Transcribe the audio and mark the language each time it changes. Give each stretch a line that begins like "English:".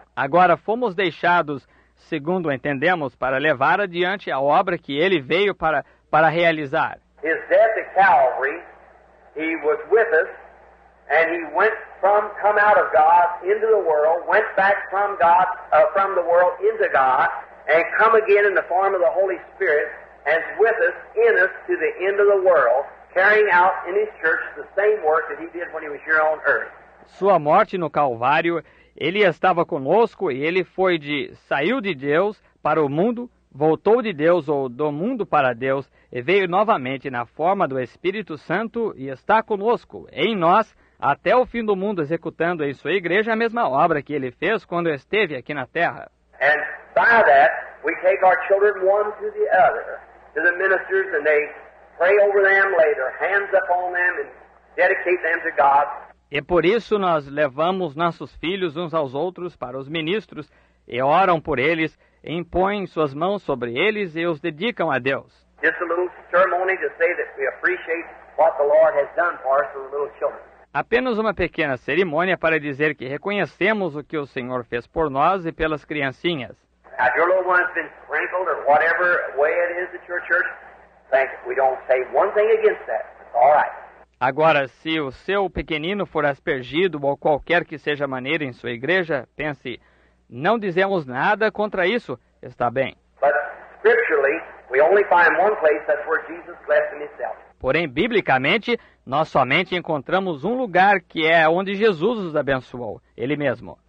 Portuguese: Agora fomos deixados, segundo entendemos, para levar adiante a obra que ele veio para realizar.
English: His death at Calvary, he was with us, and he went from come out of God into the world, went back from God from the world into God, and come again in the form of the Holy Spirit, and with us in us to the end of the world. Carrying out in his church the same work that he did when he was here on earth.
Portuguese: Sua morte no Calvário, ele estava conosco e ele foi de saiu de Deus para o mundo, voltou de Deus ou do mundo para Deus e veio novamente na forma do Espírito Santo e está conosco em nós até o fim do mundo executando em sua igreja a mesma obra que ele fez quando esteve aqui na Terra.
English: And by that we take our children one to the other to the ministers and they pray over them, lay their hands upon them, and dedicate them to God.
Portuguese: E por isso nós levamos nossos filhos uns aos outros para os ministros e oram por eles, e impõem suas mãos sobre eles e os dedicam a Deus.
English: Just a little ceremony to say that we appreciate what the Lord has done for us, the little children.
Portuguese: Apenas uma pequena cerimônia para dizer que reconhecemos o que o Senhor fez por nós e pelas criancinhas.
English: Now, your little one's been sprinkled or whatever way it is at your church. Thank you. We don't say one thing against that. All right.
Portuguese: Agora, se o seu pequenino for aspergido ou qualquer que seja maneira em sua igreja, pense, não dizemos nada contra isso. Está bem.
English: But Scripturally, we only find one place that's where Jesus blessed himself.
Portuguese: Porém, biblicamente, nós somente encontramos um lugar que é onde Jesus os abençoou, ele mesmo.